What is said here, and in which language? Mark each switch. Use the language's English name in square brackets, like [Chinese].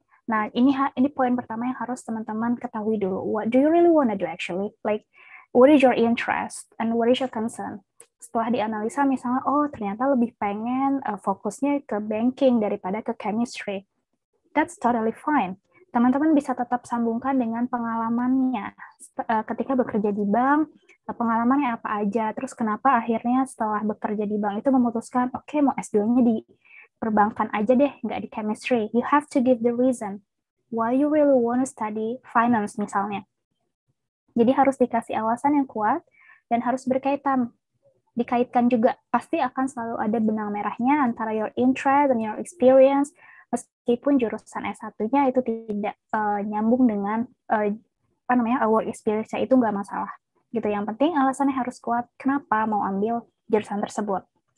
[Indonesian] Nah, ini poin pertama yang harus teman-teman ketahui dulu. [English] What do you really want to do actually? Like, what is your interest and what is your concern? [Indonesian] Setelah dianalisa, misalnya, oh, ternyata lebih pengen fokusnya ke banking daripada ke chemistry. [English] That's totally fine. [Indonesian] Teman-teman bisa tetap sambungkan dengan pengalamannya. Ketika bekerja di bank, pengalamannya apa aja, terus kenapa akhirnya setelah bekerja di bank itu memutuskan, okay, mau S2-nya di perbankan aja deh, nggak di chemistry. [English] You have to give the reason why you really want to study finance, misalnya. [Indonesian] Jadi harus dikasih alasan yang kuat, dan harus berkaitan. Dikaitkan juga, pasti akan selalu ada benang merahnya antara [English] your interest and your experience, [Indonesian] meskipun jurusan S1-nya itu tidak nyambung dengan work experience-nya, itu nggak masalah. Gitu, yang penting alasannya harus kuat kenapa mau ambil jurusan tersebut.